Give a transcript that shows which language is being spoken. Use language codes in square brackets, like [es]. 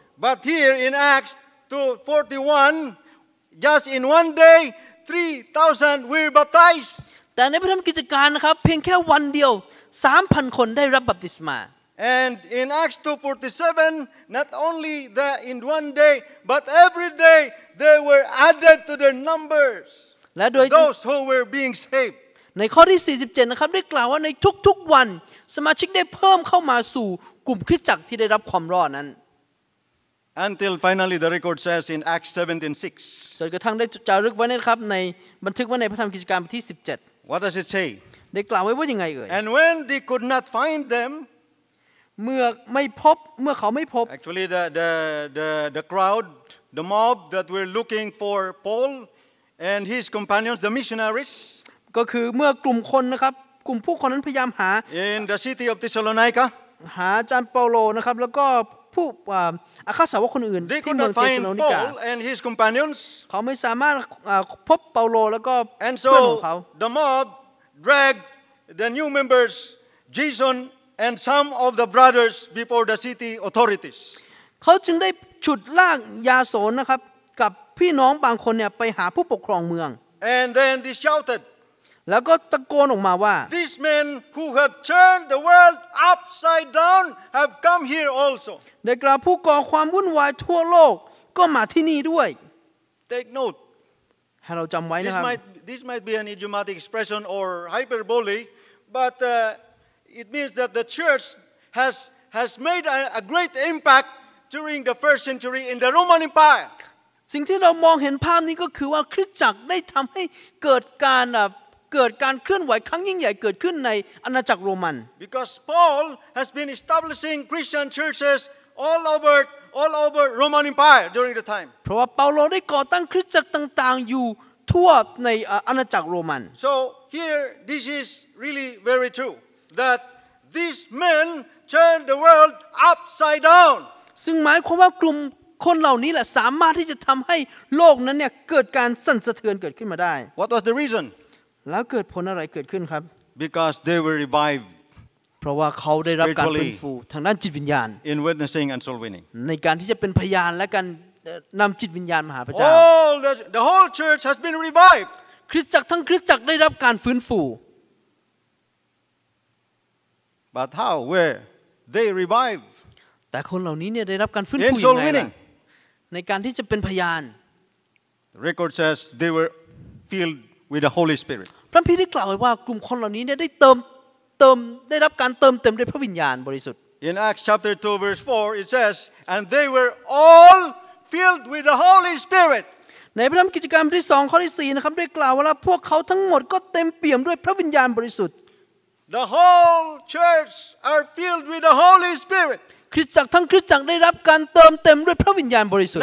[en] but here in Acts 2:41Just in one day, 3,000 were baptized. [th] แต่ในพระธรรมกิจการนะครับเพียงแค่วันเดียว 3,000 คนได้รับบัพติศมา [en] And in Acts 2:47, not only that in one day, but every day they were added to their numbers. [th] และโดย [en] Those who were being saved. [th] ในข้อที่47นะครับได้กล่าวว่าในทุกๆวันสมาชิกได้เพิ่มเข้ามาสู่กลุ่มคริสตจักรที่ได้รับความรอดนั้น [en] Until finally the record says in Acts 17:6. [th] จนกระทั่งได้จารึกไว้นะครับในบันทึกไว้ในพระธรรมกิจการบทที่17 [en] What does it say? [th] ได้กล่าวไว้ว่ายังไงเอ่ย [en] And when they could not find them, [th] เมื่อเขาไม่พบ [en] Actually the crowd, the mob that were looking for Paul and his companions, the missionaries. [th] ก็คือเมื่อกลุ่มคนนะครับกลุ่มผู้คนนั้นพยายามหา [en] In the city of Thessalonica. [th] หาอาจารย์เปาโลนะครับแล้วก็ผู้อาฆาตสาวกคนอื่นที่เมืองเทสโลนิกา [en] and his companions [th] เขาไม่สามารถพบเปาโลแล้วก็เพื่อนของเขา [en] the mob dragged the new members Jason and some of the brothers before the city authorities [th] เขาจึงได้ฉุดลากยาโสนนะครับกับพี่น้องบางคนเนี่ยไปหาผู้ปกครองเมือง [en] and then they shouted [th] แล้วก็ตะโกนออกมาว่า [en] These men who have turned the world upside down have come here also [th] ได้กล่าวผู้ก่อความวุ่นวายทั่วโลกก็มาที่นี่ด้วย [en] Take note [th] ให้เราจำไว้นะครับ [en] This might be an idiomatic expression or hyperbole but it means that the church has made a great impact during the first century in the Roman Empire [th] สิ่งที่เรามองเห็นภาพนี้ก็คือว่าคริสตจักรได้ทำให้เกิดการเคลื่อนไหวครั้งยิ่งใหญ่เกิดขึ้นในอาณาจักรโรมัน [en] Because Paul has been establishing Christian churches all over Roman Empire during the time [th] เพราะว่าเปาโลได้ก่อตั้งคริสตจักรต่างๆอยู่ทั่วในอาณาจักรโรมัน [en] So here this is really very true that these men turned the world upside down [th] ซึ่งหมายความว่ากลุ่มคนเหล่านี้แหละสามารถที่จะทำให้โลกนั้นเนี่ยเกิดการสั่นสะเทือนเกิดขึ้นมาได้ [en] What was the reason [th] แล้วเกิดผลอะไรเกิดขึ้นครับ [en] Because they were revived [th] เพราะว่าเขาได้รับการฟื้นฟูทางด้านจิตวิญญาณ [en] In witnessing and soul winning [th] ในการที่จะเป็นพยานและการนำจิตวิญญาณมาหาพระเจ้ า [en] All the whole church has been revived [th] คริสตจักรทั้งคริสตจักรได้รับการฟื้นฟู [en] But how were they revived [th] แต่คนเหล่านี้เนี่ยได้รับการฟื้นฟูยังไงในการที่จะเป็นพยาน [en] The record says they were filledwith the holy spirit [th] พระคัมภีร์ได้กล่าวไว้ว่ากลุ่มคนเหล่านี้เนี่ยได้เติมได้รับการเติมเต็มด้วยพระวิญญาณบริสุทธิ์ [en] In Acts chapter 2 verse 4 it says and they were all filled with the holy spirit [th] ในพระธรรมกิจการบทที่2ข้อที่4นะครับได้กล่าวว่าพวกเขาทั้งหมดก็เต็มเปี่ยมด้วยพระวิญญาณบริสุทธิ์ [en] The whole church are filled with the holy spirit [th] คริสตจักรทั้งคริสตจักรได้รับการเติมเต็มด้วยพระวิญญาณบริสุทธ